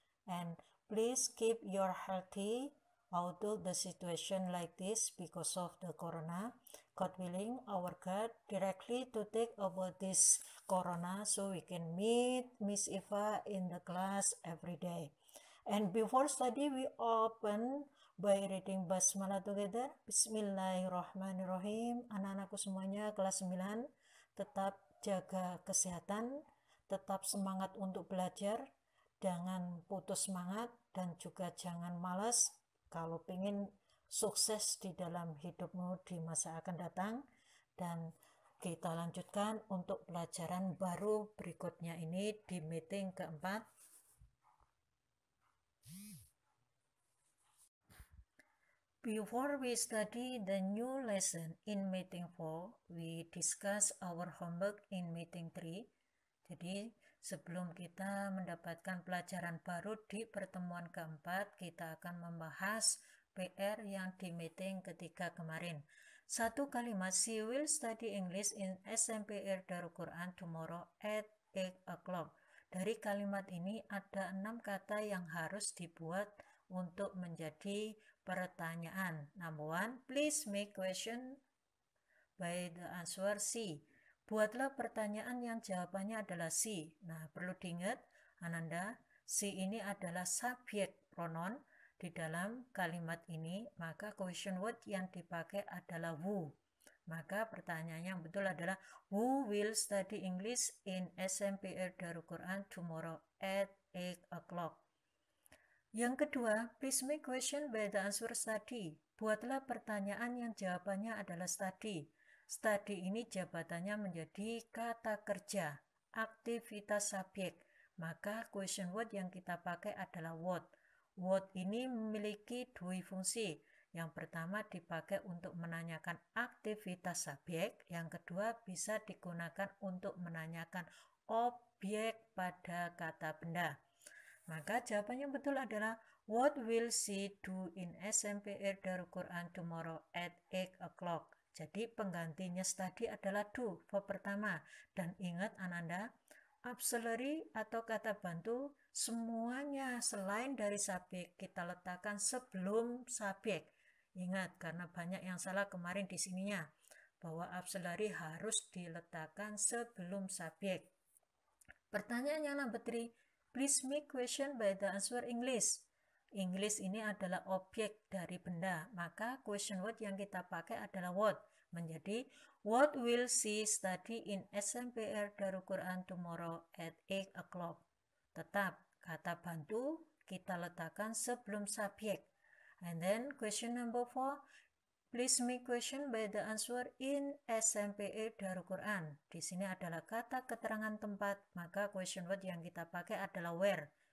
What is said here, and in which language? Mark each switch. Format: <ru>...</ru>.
<en>And please keep your healthy out of the situation like this because of the corona. God willing, our God directly to take over this corona so we can meet Miss Eva in the class every day. And before study, we open by reading basmalah together.</en> <ar>Bismillahirrahmanirrahim.</ar> <id>Anak-anakku semuanya, kelas 9, tetap jaga kesehatan, tetap semangat untuk belajar, jangan putus semangat, dan juga jangan malas. Kalau ingin sukses di dalam hidupmu di masa akan datang, dan kita lanjutkan untuk pelajaran baru berikutnya ini di meeting keempat.</id> <en>Before we study the new lesson in meeting 4, we discuss our homework in meeting 3.</en> <id>Jadi, sebelum kita mendapatkan pelajaran baru di pertemuan keempat, kita akan membahas PR yang di meeting ketiga kemarin. Satu kalimat,</id> <en>she will study English in SMPR Darul Quran tomorrow at 8 o'clock.</en> <id>Dari kalimat ini, ada 6 kata yang harus dibuat untuk menjadi pertanyaan.</id> <en>Number one, please make question by the answer C.</en> <id>Buatlah pertanyaan yang jawabannya adalah si. Nah, perlu diingat, Ananda, si ini adalah subjek pronoun di dalam kalimat ini, maka question word yang dipakai adalah who. Maka pertanyaan yang betul adalah,</id> <en>who will study English in SMPR Darul Quran tomorrow at 8 o'clock?</en> <id>Yang kedua, please make question by the answer study. Buatlah pertanyaan yang jawabannya adalah study. Study ini jabatannya menjadi kata kerja, aktivitas subjek. Maka question word yang kita pakai adalah what. What ini memiliki dua fungsi. Yang pertama dipakai untuk menanyakan aktivitas subjek. Yang kedua bisa digunakan untuk menanyakan objek pada kata benda. Maka jawabannya betul adalah</id> <en>what will she do in SMPR Darul Quran tomorrow at 8 o'clock?</en> <id>Jadi penggantinya study adalah do, verb pertama. Dan ingat Ananda, auxiliary atau kata bantu, semuanya selain dari subjek kita letakkan sebelum subjek. Ingat, karena banyak yang salah kemarin di sininya, bahwa auxiliary harus diletakkan sebelum subjek. Pertanyaannya</id> <en>number 3, please make question by the answer English.</en> <id>English ini adalah objek dari benda, maka question word yang kita pakai adalah what. Menjadi,</id> <en>what will she study in SMPR Darul Quran tomorrow at 8 o'clock?</en> <id>Tetap, kata bantu kita letakkan sebelum subjek.</id> <en>And then question number 4, please make question by the answer in SMPR Darul Quran.</en> <id>Di sini adalah kata keterangan tempat, maka question word yang kita pakai adalah where.</id>